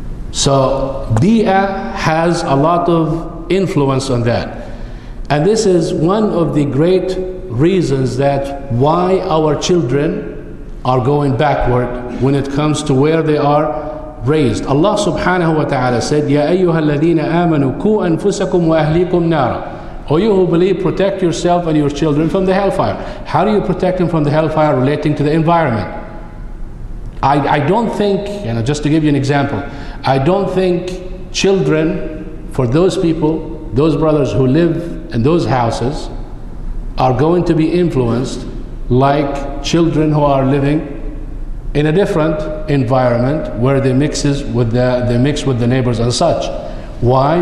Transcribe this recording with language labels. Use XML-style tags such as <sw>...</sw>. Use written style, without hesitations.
<en>So, bi'ah has a lot of influence on that. And this is one of the great reasons that why our children are going backward when it comes to where they are raised.</en> <ar>Allah subhanahu wa ta'ala said, يَا أَيُّهَا الَّذِينَ آمَنُوا كُوا أَنفُسَكُمْ وَأَهْلِيكُمْ نَارًا.</ar> <en>O you who believe, protect yourself and your children from the hellfire. How do you protect them from the hellfire relating to the environment? I don't think, you know, just to give you an example, I don't think children, for those people, those brothers who live in those houses, are going to be influenced like children who are living in a different environment where they mix with the neighbors and such. Why?</en>